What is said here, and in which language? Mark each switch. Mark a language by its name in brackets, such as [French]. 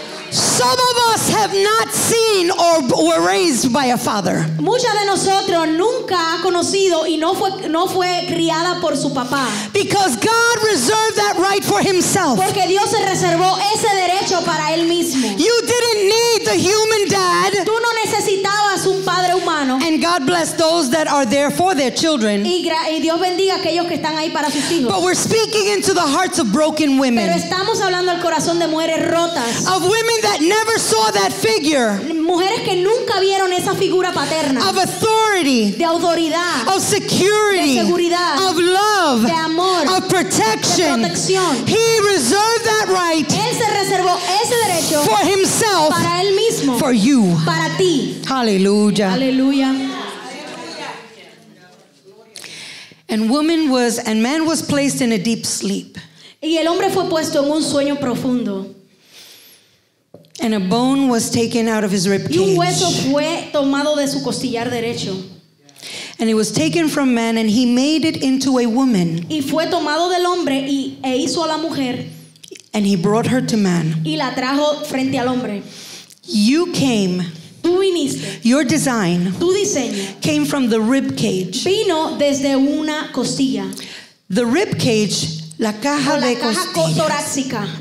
[English] Some of us have not seen or were raised by a father. [Spanish] Mucha de nosotros nunca ha conocido y no fue criada por su papá. [English] Because God reserved that right for himself. [Spanish] Porque Dios se reservó ese derecho para él mismo. [English] You didn't need the human dad. [Spanish] Tú no necesitabas un padre humano. [English] And God bless those that are there for their children. [Spanish] Y Dios bendiga aquellos que están ahí para sus hijos. [English] But we're speaking into the hearts of broken women. [Spanish] Pero estamos hablando al corazón de mujeres rotas. [English] Of women that never saw that figure. [Spanish] Mujeres que nunca vieron esa figura paterna. [English] Of authority. [Spanish] De autoridad. [English] Of security. [Spanish] De seguridad. [English] Of love. [Spanish] De amor. [English] Of protection. [Spanish] De protección. [English] He reserved that right. [Spanish] Él se reservó ese derecho. [English] For himself. [Spanish] Para él mismo. [English] For you. [Spanish] Para ti. [English] Hallelujah. Hallelujah. And woman was and man was placed in a deep sleep. [Spanish] Y el hombre fue puesto en un sueño profundo. [English] And a bone was taken out of his rib cage. [Spanish] Y un hueso fue tomado de su costillar derecho. [English] And it was taken from man and he made it into a woman. [Spanish] Y fue tomado del hombre e hizo a la mujer. [English] And he brought her to man. [Spanish] Y la trajo frente al hombre. [English] You came. [Spanish] Tú viniste. [English] Your design. [Spanish] Tu diseño. [English] Came from the rib cage. [Spanish] Vino desde una costilla. [English] The rib cage, [Spanish] la caja de costillas.